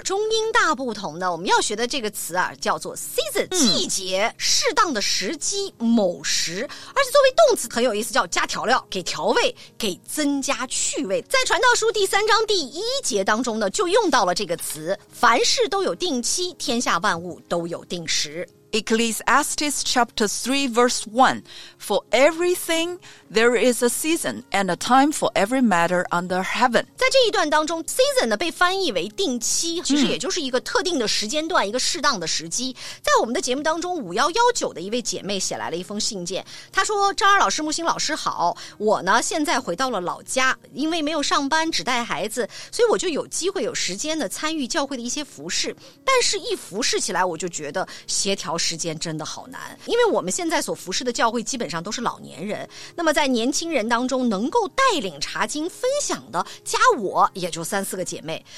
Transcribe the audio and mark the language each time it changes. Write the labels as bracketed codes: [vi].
[zh] 中英大不同呢，我们要学的这个词啊叫做 season、季节，适当的时机，某时。而且作为动词很有意思，叫加调料，给调味，给增加趣味。在传道书第三章第一节当中呢，就用到了这个词，凡事都有定期，天下万物都有定时。 [en] Ecclesiastes chapter 3 verse 1 For everything there is a season and a time for every matter under heaven. [zh] 在这一段当中 season 呢被翻译为定期，其实也就是一个特定的时间段，一个适当的时机。在我们的节目当中5119的一位姐妹写来了一封信件，她说，张二老师、木星老师好，我呢现在回到了老家，因为没有上班只带孩子，所以我就有机会有时间的参与教会的一些服事，但是一服事起来我就觉得协调时间真的好难，因为我们现在所服侍的教会基本上都是老年人，那么在年轻人当中能够带领查经分享的加我也就三四个姐妹。